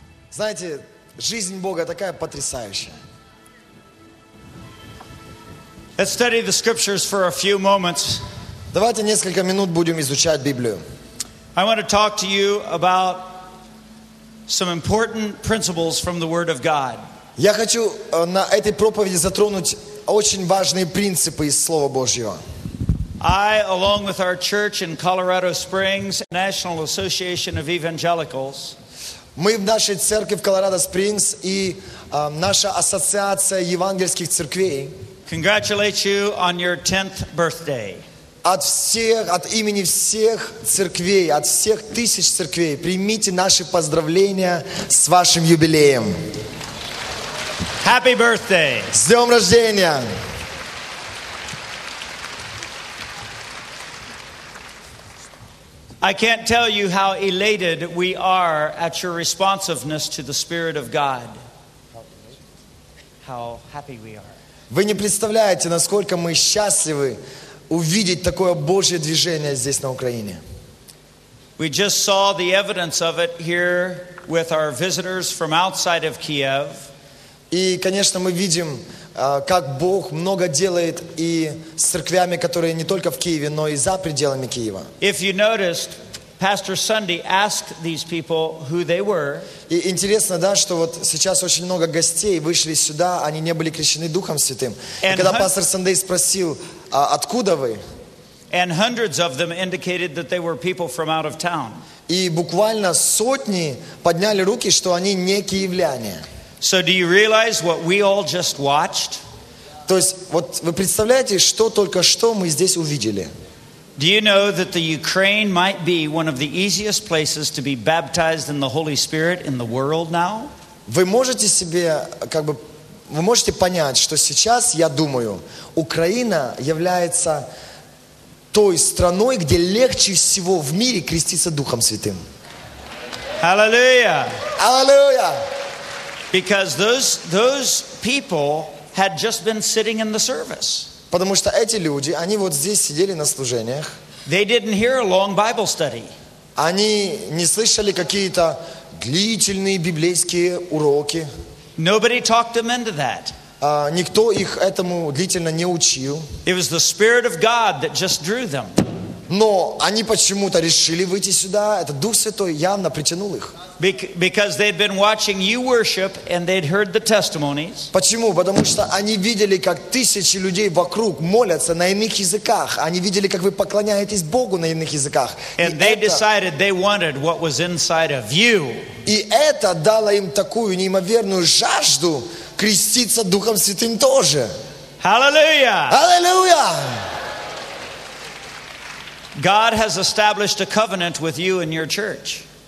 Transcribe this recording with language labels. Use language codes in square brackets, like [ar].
[ru] Знаете, жизнь Бога такая потрясающая. [en] Let's study the scriptures for a few moments. [ru] Давайте несколько минут будем изучать Библию. [en] I want to talk to you about some important principles from the Word of God. [ru] Я хочу на этой проповеди затронуть очень важные принципы из Слова Божьего. [en] I, along with our church in Colorado Springs, National Association of Evangelicals, [ru] мы в нашей церкви в Колорадо Спрингс и наша ассоциация евангельских церквей. [en] Congratulate you on your 10th birthday. [ru] От всех, от имени всех церквей, от всех тысяч церквей, примите наши поздравления с вашим юбилеем. [en] Happy birthday. [ru] С днем рождения. [en] I can't tell you how elated we are at your responsiveness to the Spirit of God. How happy we are. [ru] Вы не представляете, насколько мы счастливы увидеть такое Божье движение здесь на Украине. [en] We just saw the evidence of it here with our visitors from outside of Kiev. [ru] И, конечно, мы видим, как Бог много делает и с церквями, которые не только в Киеве, но и за пределами Киева. [en] If you noticed, Pastor Sunday asked these people who they were. [ru] И интересно, да, что вот сейчас очень много гостей вышли сюда, они не были крещены Духом Святым. [en] And [ru] когда пастор Сандей спросил, откуда вы? [en] And hundreds of them indicated that they were people from out of town. [ru] И буквально сотни подняли руки, что они не киевляне. [en] So do you realize what we all just watched? [ru] То есть, вот вы представляете, что только что мы здесь увидели? [en] Do you know that the Ukraine might be one of the easiest places to be baptized in the Holy Spirit in the world now? [ru] Вы можете себе, как бы, вы можете понять, что сейчас, я думаю, Украина является той страной, где легче всего в мире креститься Духом Святым. [en] Hallelujah! Hallelujah! Because those people had just been sitting in the service. [ru] Потому что эти люди, они вот здесь сидели на служениях. [en] They didn't hear a long Bible study. [ru] Они не слышали какие-то длительные библейские уроки. [en] Nobody talked them into that. [ru] Никто их этому длительно не учил. [en] It was the Spirit of God that just drew them. [ru] Но они почему-то решили выйти сюда. Это Дух Святой явно притянул их. [en] Because they'd been watching you worship and they'd heard the testimonies. [ru] Почему? Потому что они видели, как тысячи людей вокруг молятся на иных языках. Они видели, как вы поклоняетесь Богу на иных языках. [en] And they decided they wanted what was inside of you. [ru] И это дало им такую неимоверную жажду креститься Духом Святым тоже. [en] Hallelujah! Hallelujah! God has established a covenant with you and your church.